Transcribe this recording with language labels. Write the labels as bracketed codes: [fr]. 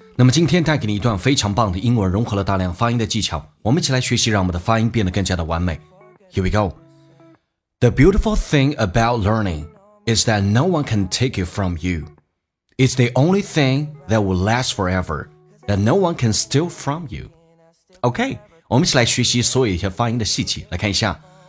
[zh] 那么今天带给你一段非常棒的英文，融合了大量发音的技巧，我们一起来学习，让我们的发音变得更加的完美。 [en] Here we go. The beautiful thing about learning is that no one can take it from you. It's the only thing that will last forever that no one can steal from you. [zh] OK, 我们一起来学习所有一些发音的细节，来看一下。